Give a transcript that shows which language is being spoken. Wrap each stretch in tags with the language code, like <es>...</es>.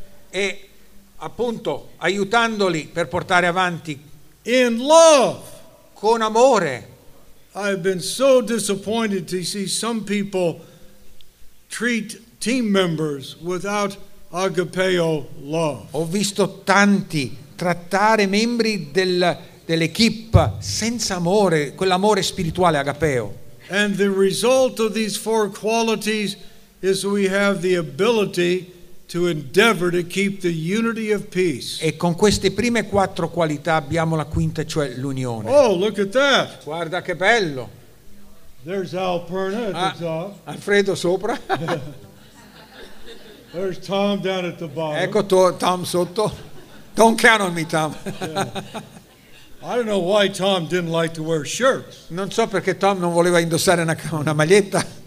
<it>E appunto aiutandoli per portare avanti</it> <en>in love</en> <it>con amore.</it> <en>I've been so disappointed to see some people treat team members without agapeo love.</en> <it>Ho visto tanti trattare membri dell'equipe senza amore, quell'amore spirituale agapeo.</it> <en>And the result of these four qualities is we have the ability to endeavor to keep the unity of peace.</en> <it>E con queste prime quattro qualità abbiamo la quinta, cioè l'unione.</it> <en>Oh, look at that.</en> <it>Guarda che bello.</it> <en>There's Alperna at the top.</en> <it>Alfredo sopra.</it> <en>There's Tom down at the bottom.</en> <it>Ecco Tom sotto.</it> <en>Don't count on me, Tom. Yeah. I don't know why Tom didn't like to wear shirts.</en> <it>Non so perché Tom non voleva indossare una maglietta.</it>